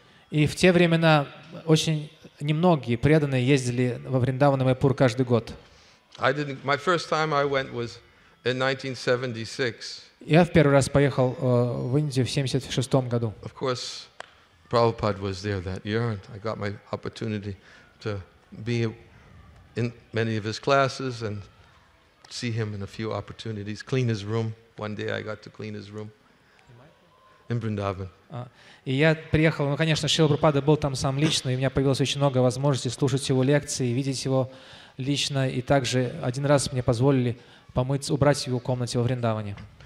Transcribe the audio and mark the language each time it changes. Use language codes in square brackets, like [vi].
[ru] и в те времена очень немногие преданные ездили во Вриндаван и Майпур каждый год. [en] My first time I went was in 1976. [ru] Я в первый раз поехал в Индию в 76 году. [en] Of course, Prabhupada was there that year, and I got my opportunity to be in many of his classes and see him in a few opportunities. Clean his room. One day I got to clean his room in Vrindavan. [ru] И я приехал, ну конечно, Шрила Прабхупада был там сам лично, и у меня появилось очень много возможностей слушать его лекции, видеть его лично, и также один раз мне позволили помыть, убрать его комнату во Вриндаване.